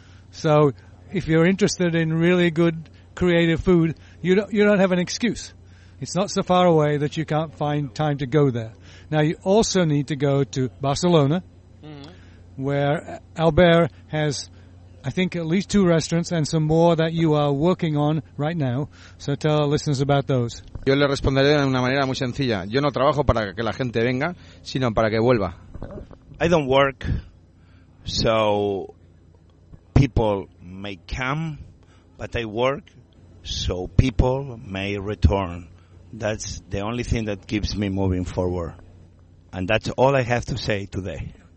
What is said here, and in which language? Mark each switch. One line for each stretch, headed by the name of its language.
English: So if you're interested in really good creative food, you don't have an excuse. It's not so far away that you can't find time to go there. Now, you also need to go to Barcelona, mm-hmm. where Albert has... I think at least two restaurants and some more that you are working on right now. So tell our listeners about those.
Spanish: Yo le responderé de una manera muy sencilla. Yo no trabajo para que la gente venga, sino para que vuelva.
English: I don't work so people may come, but I work so people may return. That's the only thing that keeps me moving forward. And that's all I have to say today.